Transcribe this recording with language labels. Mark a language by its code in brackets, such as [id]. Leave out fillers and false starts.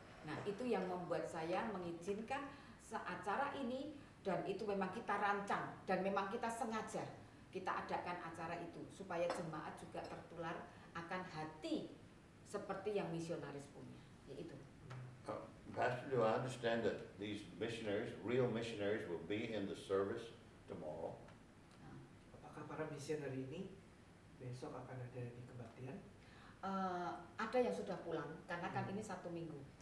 [id] Nah, itu yang membuat saya mengizinkan acara ini dan itu memang kita rancang dan memang kita sengaja kita adakan acara itu supaya jemaat juga tertular akan hati seperti yang misionaris punya, yaitu. [en] Pastor, do I understand that these missionaries, real missionaries, will be in the service tomorrow? [id] Apakah para misionari ini besok akan ada di kebaktian? Ada yang sudah pulang, karena kan ini satu minggu.